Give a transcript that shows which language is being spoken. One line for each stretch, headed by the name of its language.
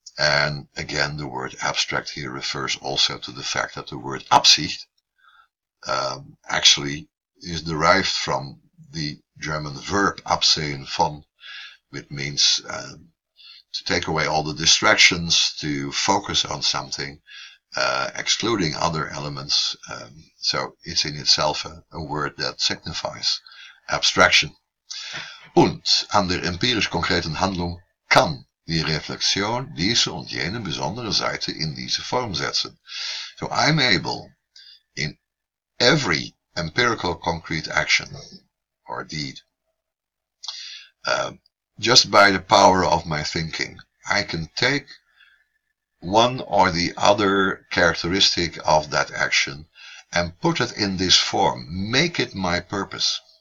English: And again, the word abstract here refers also to the fact that the word Absicht actually is derived from the German verb absehen von, which means to take away all the distractions, to focus on something, excluding other elements. So it's in itself a word that signifies abstraction.
German: Und an der empirisch konkreten Handlung kann die Reflexion diese und jene besondere Seite in diese Form setzen.
English: So I'm able, in every empirical concrete action or deed, just by the power of my thinking, I can take one or the other characteristic of that action and put it in this form, make it my purpose.